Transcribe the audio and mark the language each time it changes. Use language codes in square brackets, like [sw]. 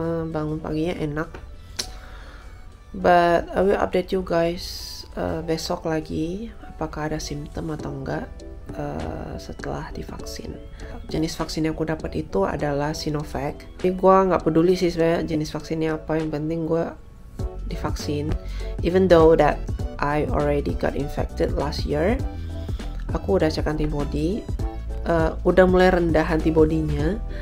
[id] Bangun paginya enak, [en] but I will update you guys [id] besok lagi apakah ada simptom atau enggak. Setelah divaksin, jenis vaksin yang aku dapat itu adalah Sinovac. Tapi gue nggak peduli sih sebenarnya jenis vaksinnya apa, yang penting gue [en] the vaccine, even though that I already got infected last year. [id] Aku udah cek antibody, udah mulai rendah antibodinya.